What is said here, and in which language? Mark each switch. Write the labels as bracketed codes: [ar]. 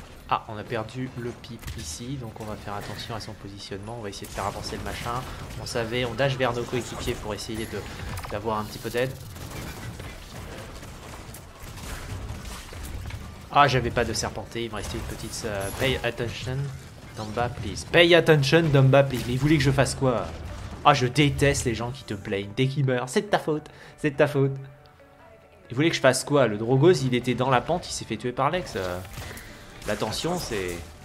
[fr] Ah, on a perdu le pip ici, donc on va faire attention à son positionnement, on va essayer de faire avancer le machin. On savait, on dash vers nos coéquipiers pour essayer d'avoir un petit peu d'aide. Ah, j'avais pas de serpenté, il me restait une petite... [en] pay attention, Dumba, please. Pay attention, Dumba, please. [fr] Mais il voulait que je fasse quoi? Ah, je déteste les gens qui te plaignent dès qu'ils meurent. C'est de ta faute, c'est de ta faute. Il voulait que je fasse quoi? Le Drogoz, il était dans la pente, il s'est fait tuer par Lex. L'attention, c'est...